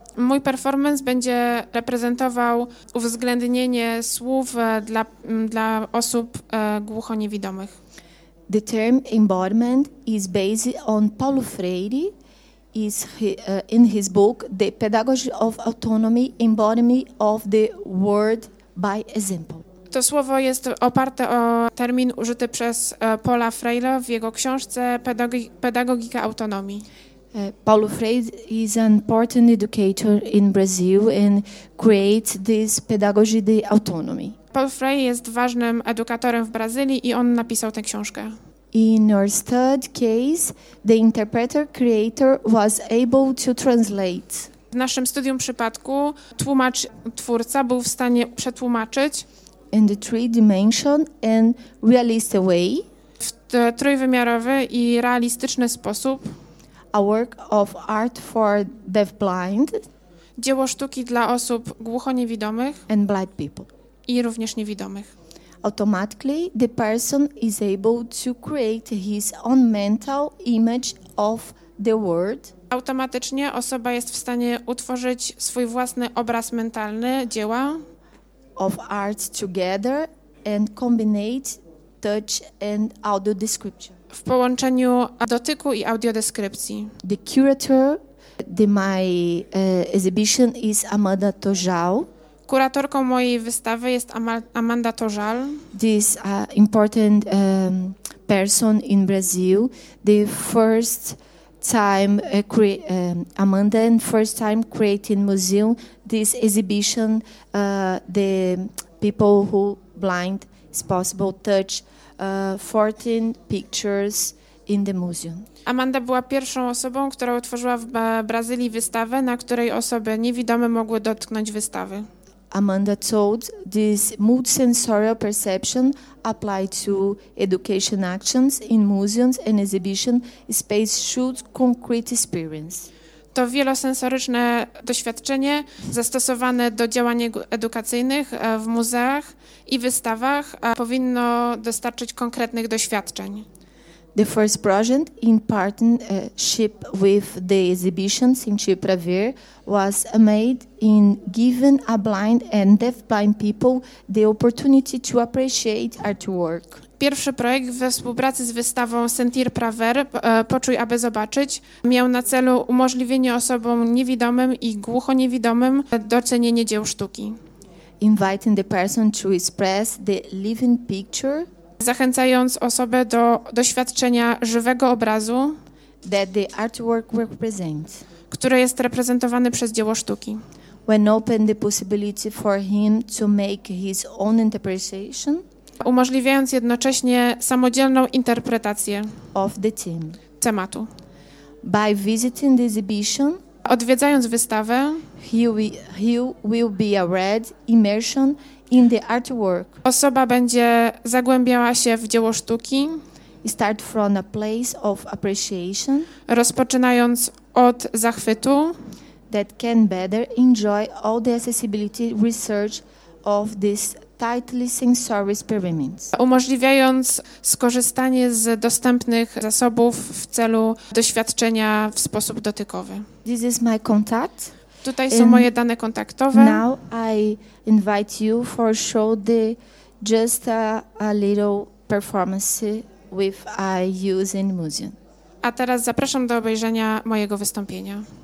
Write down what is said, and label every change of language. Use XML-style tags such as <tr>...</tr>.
<pl>Mój performance będzie reprezentował uwzględnienie słów dla osób głuchoniewidomych.</pl> <en>The term embodiment is based on Paulo Freire, is in his book The Pedagogy of Autonomy, Embodiment of the Word by Example.</en> <pl>To słowo jest oparte o termin użyty przez Paula Freire w jego książce Pedagogika Autonomii.</pl> <en>Paulo Freire is an important educator in Brazil and creates this pedagogy of autonomy.</en> <pl>Paulo Freire jest ważnym edukatorem w Brazylii i on napisał tę książkę.</pl> <en>In our third case, the interpreter creator was able to translate.</en> <pl>W naszym studium przypadku tłumacz twórca był w stanie przetłumaczyć.</pl> <en>In the three dimension and realistic way.</en> <pl>W trójwymiarowy i realistyczny sposób.</pl> <en>A work of art for deaf blind.</en> <pl>Dzieło sztuki dla osób głuchoniewidomych.</pl> <en>And blind people.</en> <pl>I również niewidomych.</pl> <en>Automatically the person is able to create his own mental image of the word.</en> <pl>Automatycznie osoba jest w stanie utworzyć swój własny obraz mentalny dzieła.</pl> <en>Of art together and combine touch and audio description.</en> <pl>W połączeniu dotyku i audiodeskrypcji.</pl> <en>The curator of my exhibition is Amanda Tojal.</en> <pl>Kuratorką mojej wystawy jest Amanda Tojal.</pl> <en>This important person in Brazil. The first time Amanda and first time creating museum this exhibition the people who blind is possible touch 14 pictures in the museum.</en> <pl>Amanda była pierwszą osobą, która utworzyła w Brazylii wystawę, na której osoby niewidome mogły dotknąć wystawy.</pl> <en>Amanda told this multisensorial perception applied to education actions in museums and exhibition space should concrete experience.</en> <pl>To wielosensoryczne doświadczenie zastosowane do działań edukacyjnych w muzeach i wystawach powinno dostarczyć konkretnych doświadczeń.</pl> <en>The first project in partnership with the exhibition Cintia Pravir was made in giving a blind and deaf-blind people the opportunity to appreciate artwork.</en> <pl>Pierwszy projekt we współpracy z wystawą Sentir Praver, Poczuj, aby zobaczyć, miał na celu umożliwienie osobom niewidomym i głuchoniewidomym docenienie dzieł sztuki.</pl> <en>Inviting the person to express the living picture.</en> <pl>Zachęcając osobę do doświadczenia żywego obrazu,</pl> <en>that the artwork represents.</en> <pl>Które jest reprezentowane przez dzieło sztuki.</pl> <en>When open the possibility for him to make his own interpretation.</en> <pl>Umożliwiając jednocześnie samodzielną interpretację</pl> <en>of the theme.</en> <pl>tematu.</pl> <en>By visiting the exhibition,</en> <pl>odwiedzając wystawę,</pl> <en>he will be a read immersion in the artwork.</en> <pl>Osoba będzie zagłębiała się w dzieło sztuki.</pl> <en>Start from a place of appreciation,</en> <pl>rozpoczynając od zachwytu,</pl> <en>that can better enjoy all the accessibility research of this tightly sensory experiments.</en> <pl>Umożliwiając skorzystanie z dostępnych zasobów w celu doświadczenia w sposób dotykowy.</pl> <en>This is my contact.</en> <pl>Tutaj są moje dane kontaktowe.</pl> <en>Now I invite you for show the just a little performance with I use in museum.</en> <pl>A teraz zapraszam do obejrzenia mojego wystąpienia.</pl>